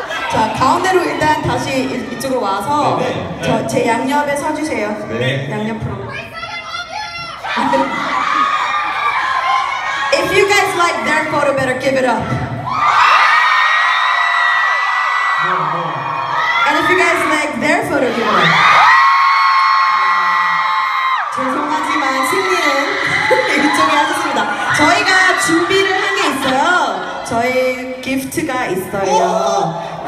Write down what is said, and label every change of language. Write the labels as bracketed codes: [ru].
[ko] 자, 가운데로 일단 다시 이쪽으로 와서 저 제 양옆에 서주세요. 양옆으로. [en] If you guys like their photo better, give it up. And if you guys like their photo, give it up. [ko] 죄송하지만 승리는 이쪽에 하셨습니다. 저희가 준비를 한 게 있어요. 저희 기프트가 있어요.